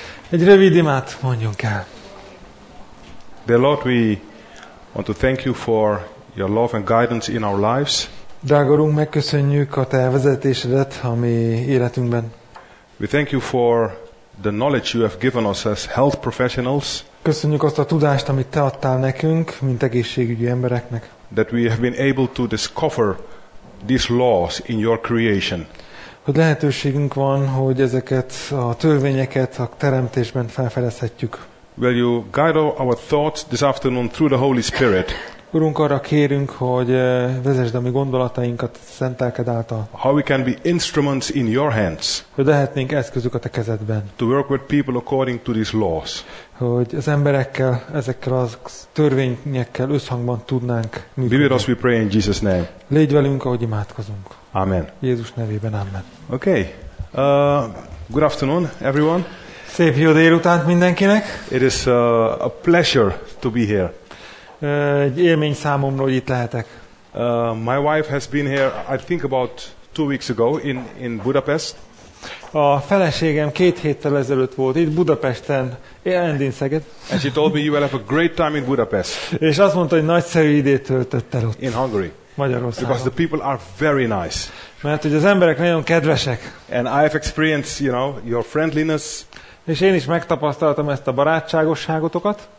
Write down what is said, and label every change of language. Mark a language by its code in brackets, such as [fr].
[hu] Egy rövid imát mondjunk el. [en] Dear Lord, we want to thank you for your love and guidance in our lives. [hu] Drága Urunk, megköszönjük a te vezetésedet a mi életünkben. [en] We thank you for the knowledge you have given us as health professionals. [hu] Köszönjük azt a tudást, amit te adtál nekünk, mint egészségügyi embereknek. [en] That we have been able to discover these laws in your creation. [hu] Hogy lehetőségünk van, hogy ezeket a törvényeket a teremtésben felfedezhetjük. [en] Will you guide our thoughts this afternoon through the Holy Spirit? [hu] Urunk, arra kérünk, hogy vezesd a mi gondolatainkat Szent Lelked által. [en] How we can be instruments in your hands. [hu] Hogy lehetnénk eszközök a te kezedben. [en] To work with people according to these laws. [hu] Hogy az emberekkel, ezekkel a törvényekkel összhangban tudnánk működni. [en] Be with us, we pray in Jesus' name. [hu] Légy velünk, ahogy imádkozunk. [en] Amen. [hu] Jézus nevében, amen. [en] Okay. Good afternoon, everyone. [hu] Szép jó délutánt mindenkinek. [en] It is a pleasure to be here. [hu] Egy élmény számomra, hogy itt lehetek. [en] My wife has been here, I think about 2 weeks ago in Budapest. [hu] A feleségem 2 héttel ezelőtt volt itt Budapesten, Endinszeged. [en] And she told me you will have a great time in Budapest. [hu] És azt mondta, hogy nagyszerű időt töltött el ott. [en] In Hungary. [hu] Magyarországon. [en] Because the people are very nice. [hu] Mert hogy az emberek nagyon kedvesek. [en] And I have experienced, you know, your friendliness. [hu] És én is megtapasztaltam ezt a barátságosságotokat.